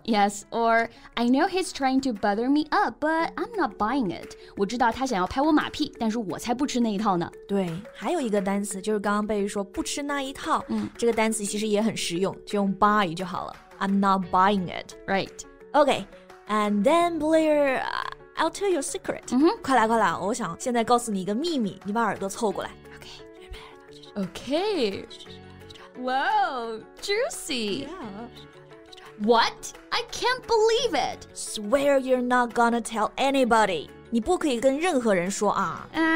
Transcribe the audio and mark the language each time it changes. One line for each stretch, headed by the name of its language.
English: Yes, or I know he's trying to butter me up, but I'm not buying it.
Chinese: 我知道他想要拍我马屁，但是我才不吃那一套呢。对，还有一个单词就是刚刚贝说不吃那一套，这个单词其实也很实用，就用 buy 就好了。
English: I'm not buying it. Right. Okay. And then, Blair, I'll tell you a secret.
Chinese: 快来快来，我想现在告诉你一个秘密，你把耳朵凑过来。
English: Okay. Okay. Wow, juicy. Yeah. What? I can't believe it. Swear you're not gonna tell anybody.
Chinese: 你不可以跟任何人说啊。